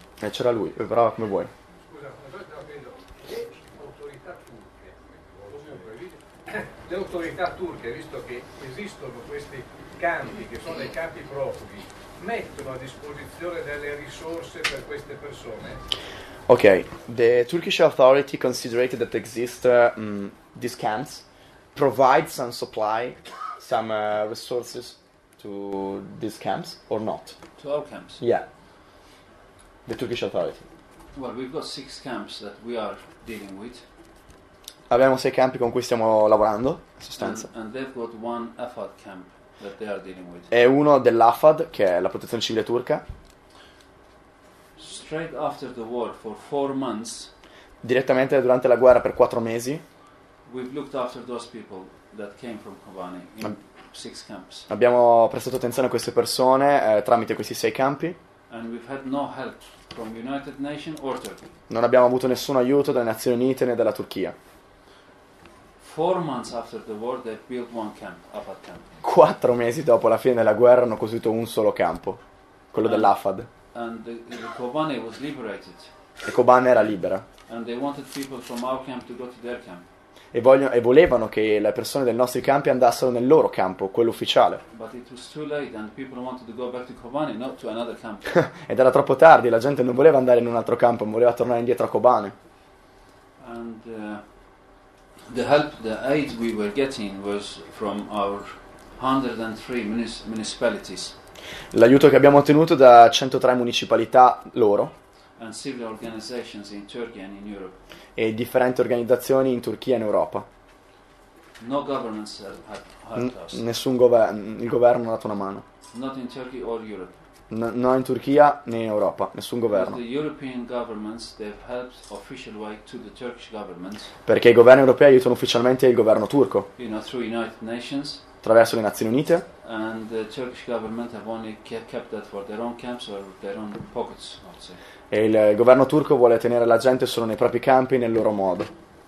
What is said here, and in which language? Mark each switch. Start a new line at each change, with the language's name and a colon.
Italian: C'era lui, però come vuoi. Le autorità turche, visto che esistono questi campi, che sono dei campi profughi, mettono a disposizione delle risorse per queste persone?
English: Ok, the Turkish authority considered that exist these camps, provide some supply, some resources to these camps, or not? To our camps? Yeah, the Turkish authority. Well, we've got six camps that we are dealing with.
Italian: Abbiamo sei campi con cui stiamo lavorando, in sostanza.
English: And they've got one AFAD camp that they are dealing with.
Italian: È uno dell'AFAD, che è la protezione civile turca.
English: Straight after the war, for four months,
Italian: direttamente durante la guerra per 4 mesi,
English: we've looked after those people that came from Kobane in six camps.
Italian: Abbiamo prestato attenzione a queste persone tramite questi sei campi.
English: And we've had no help from United Nations or Turkey.
Italian: Non abbiamo avuto nessun aiuto dalle Nazioni Unite né dalla Turchia.
English: 4 months after the war, they built one camp, AFAD camp.
Italian: 4 mesi dopo la fine della guerra hanno costruito un solo campo, quello dell'AFAD.
English: And the Kobane was liberated.
Italian: E Kobane era libera.
English: And they wanted people from our camp to go to their camp.
Italian: E volevano che le persone dei nostri campi andassero nel loro campo, quello ufficiale.
English: But it was too late and people wanted to go back to Kobane, not to another camp.
Italian: Ed era troppo tardi, la gente non voleva andare in un altro campo, ma voleva tornare indietro a Kobane.
English: And the help, the aid we were getting was from our 103 municipalities.
Italian: L'aiuto che abbiamo ottenuto da 103 municipalità loro.
English: And civil organizations in Turkey and in Europe.
Italian: E differenti organizzazioni in Turchia e in Europa.
English: No governments have helped us.
Italian: Nessun governo, il governo non ha dato una mano.
English: Not in Turkey or Europe.
Italian: No, in Turchia né in Europa, nessun governo.
English: The European governments, they've helped official way to the Turkish governments.
Italian: Perché i governi europei aiutano ufficialmente il governo turco.
English: You know, through United Nations.
Italian: Attraverso le Nazioni Unite.
English: And the Turkish government have only kept that for their own camps or their own pockets, I would say.
Italian: E il governo turco vuole tenere la gente solo nei propri campi nel loro modo.